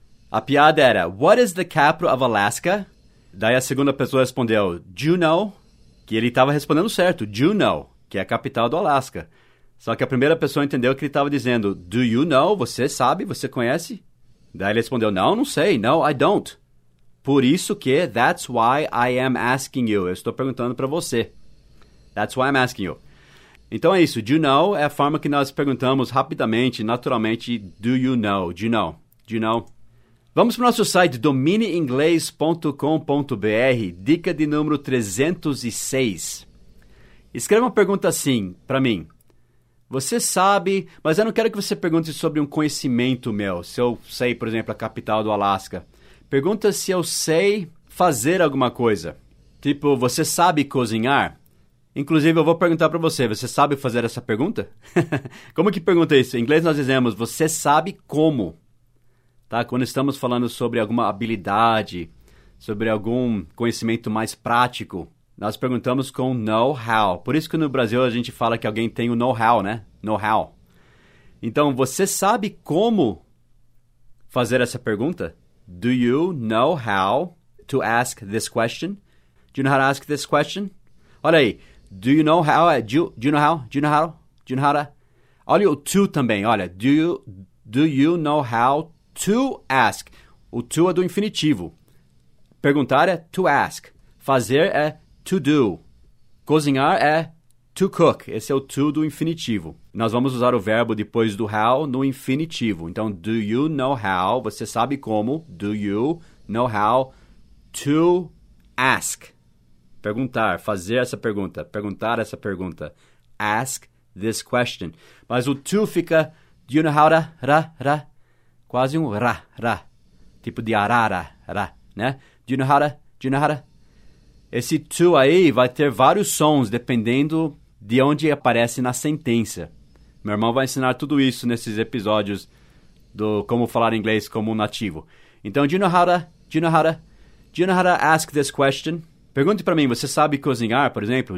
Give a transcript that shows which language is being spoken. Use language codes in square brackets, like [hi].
[pt] A piada era, [en] what is the capital of Alaska? [pt] Daí a segunda pessoa respondeu, [en] do you know? [pt] Que ele estava respondendo certo, [en] do you know? [pt] Que é a capital do Alaska. Só que a primeira pessoa entendeu que ele estava dizendo, [en] do you know? [pt] Você sabe? Você conhece? Daí ele respondeu, não, não sei, [en] no, I don't. [pt] Por isso que, [en] that's why I am asking you. [pt] Eu estou perguntando para você. [en] That's why I'm asking you. [pt] Então é isso, [en] do you know [pt] é a forma que nós perguntamos rapidamente, naturalmente, [en] do you know, do you know, do you know. [pt] Vamos para o nosso site, domineinglês.com.br, dica de número 306. Escreva uma pergunta assim para mim. Você sabe, mas eu não quero que você pergunte sobre um conhecimento meu, se eu sei, por exemplo, a capital do Alasca. Pergunta se eu sei fazer alguma coisa. Tipo, você sabe cozinhar? Inclusive, eu vou perguntar para você, você sabe fazer essa pergunta? Como que pergunta isso? Em inglês nós dizemos, você sabe como? Tá? Quando estamos falando sobre alguma habilidade, sobre algum conhecimento mais prático, nós perguntamos com know-how. Por isso que no Brasil a gente fala que alguém tem o know-how, né? Know-how. Então, você sabe como fazer essa pergunta? [en] Do you know how to ask this question? Do you know how to ask this question? [pt] Olha aí. [en] Do you know how? Do you know how? Do you know how? Do you know how to? [pt] Olha o to também. Olha. [en] Do you know how to ask? [pt] O to é do infinitivo. Perguntar é to ask. Fazer é to do. Cozinhar é to cook. Esse é o to do infinitivo. Nós vamos usar o verbo depois do how no infinitivo. Então, [en] do you know how? [pt] Você sabe como? [en] Do you know how to ask? [pt] Perguntar, fazer essa pergunta. Perguntar essa pergunta. [en] Ask this question. [pt] Mas o to fica, [en] do you know how to, [pt] ra. Quase um ra. Tipo de arara, ra, né? [en] Do you know how to, do you know how to? [pt] Esse to aí vai ter vários sons, dependendo de onde aparece na sentença. Meu irmão vai ensinar tudo isso nesses episódios do Como Falar Inglês como um Nativo. [en] Então, do you know how to ask this question? [pt] Pergunte para mim, você sabe cozinhar, por exemplo?